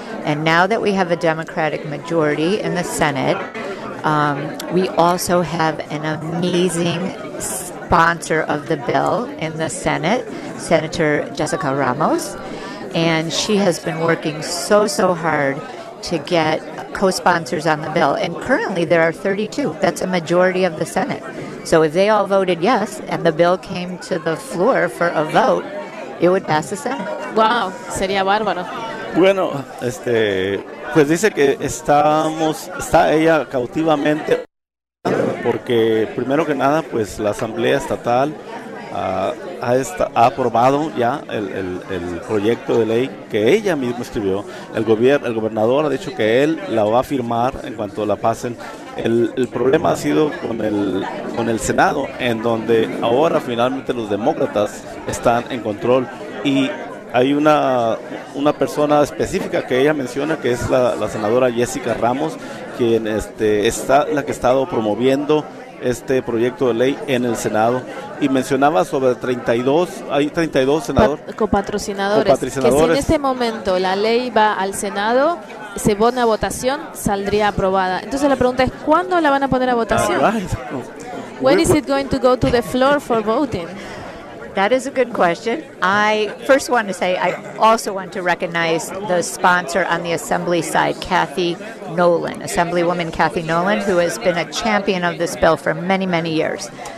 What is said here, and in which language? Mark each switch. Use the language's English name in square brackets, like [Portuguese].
[English] And now that we have a Democratic majority in the Senate, we also have an amazing sponsor of the bill in the Senate, Senator Jessica Ramos, and she has been working so, so hard to get co-sponsors on the bill. And currently there are 32. That's a majority of the Senate. So if they all voted yes and the bill came to the floor for a vote, it would pass the Senate. [Spanish] Wow, sería bárbaro. Bueno, pues dice que está ella cautivamente porque primero que nada, pues la Asamblea Estatal ha aprobado ya el proyecto de ley que ella misma escribió. El gobernador ha dicho que él la va a firmar en cuanto la pasen. El problema ha sido con el Senado, en donde ahora finalmente los demócratas están en control. Y hay una persona específica que ella menciona, que es la senadora Jessica Ramos, quien está la que ha estado promoviendo este proyecto de ley en el Senado. Y mencionaba sobre 32, hay 32 senadores. Copatrocinadores. Que si en este momento la ley va al Senado, se pone a votación, saldría aprobada. Entonces la pregunta es, ¿cuándo la van a poner a votación? [English] Right. When is it going to go to the floor for voting? That is a good question. I first want to say I also want to recognize the sponsor on the assembly side, Kathy Nolan, Assemblywoman Kathy Nolan, who has been a champion of this bill for many, many years.